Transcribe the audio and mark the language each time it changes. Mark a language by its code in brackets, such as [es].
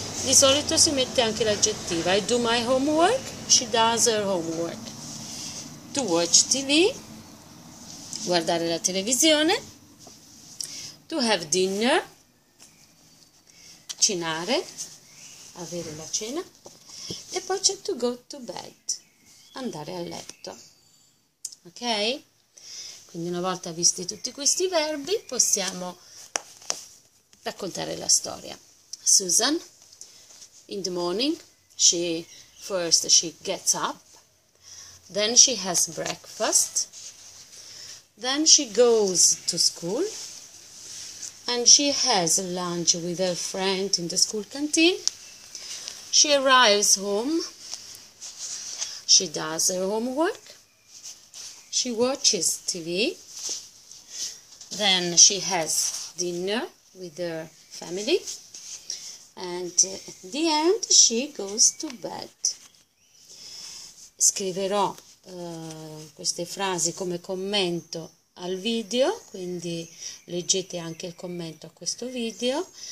[it] Di solito si mette anche l'aggettiva. [en] I do my homework, she does her homework. To watch TV, [it] guardare la televisione, [en] to have dinner, [it] cenare, avere la cena, e poi c'è [en] to go to bed, [it] andare a letto. Ok? Quindi una volta visti tutti questi verbi, possiamo raccontare la storia. [en] Susan, in the morning, she gets up. Then she has breakfast. Then she goes to school. And she has lunch with her friend in the school canteen. She arrives home. She does her homework. She watches TV. Then she has dinner with her family. And at the end she goes to bed. [it] Scriverò queste frasi come commento al video, quindi leggete anche il commento a questo video.